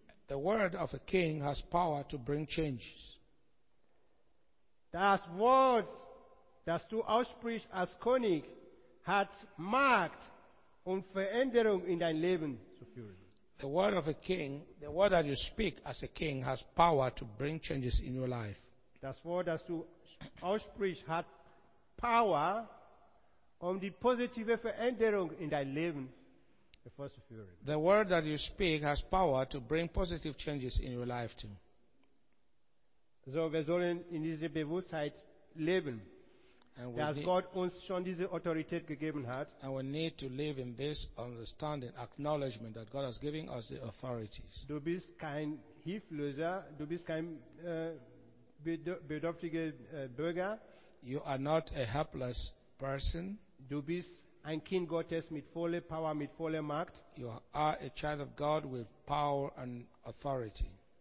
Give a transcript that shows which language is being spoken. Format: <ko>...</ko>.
<en>The word of a king has power to bring changes.</en> <de>Das Wort, das du aussprichst als König, hat Macht, um Veränderung in dein Leben zu führen.</de> <en>The word of a king, the word that you speak as a king, has power to bring changes in your life.</en> <de>Das Wort, das du aussprichst, hat Power, um die positive Veränderung in dein Leben hervorzuführen.</de> <en>The word that you speak has power to bring positive changes in your life too.</en> <de>So, wir sollen in dieser Bewusstheit leben, dass Gott uns schon diese Autorität gegeben hat.</de> <en>And we need to live in this understanding, acknowledgement that God has given us the authorities.</en> <de>Du bist kein Hilfloser, du bist kein bedürftiger Bürger.</de> <en>You are not a helpless person.</en> <de>Du bist ein Kind Gottes mit voller Power, mit voller Macht.</de> <en>You are a child of God with power and authority.</en>